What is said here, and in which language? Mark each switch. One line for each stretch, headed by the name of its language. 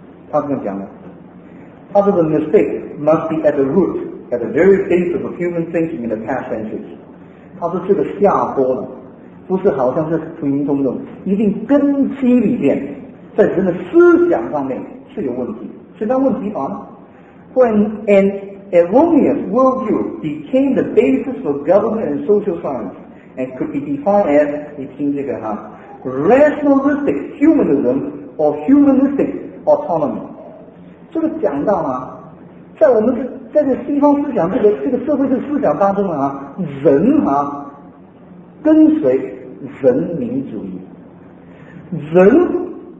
Chinese: 他这样讲的，他说
English: the mistake must be at the root, at the very base of human thinking in the past centuries。
Chinese: 他说这个下坡了，不是好像是普普通通，一定根基里面，在人的思想上面是有问题。什么问题啊
English: ？When an erroneous worldview became the basis for government and social science, and could be defined as
Chinese: 你听这个哈
English: ，rationalistic humanism or humanistic autonomy。
Chinese: 这个讲到啊，在我们在这西方思想这个社会的思想当中啊，人啊跟随人民主义，人